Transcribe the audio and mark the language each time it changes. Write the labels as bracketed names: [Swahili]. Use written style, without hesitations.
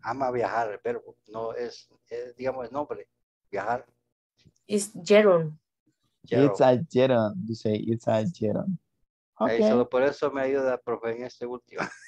[Spanish] Ama viajar, pero no es, digamos, el nombre, viajar. [English] It's Gerund. It's a Gerund. You say it's a Gerund. Okay. [Spanish] Hey, solo por eso me ayuda, profe, en este último.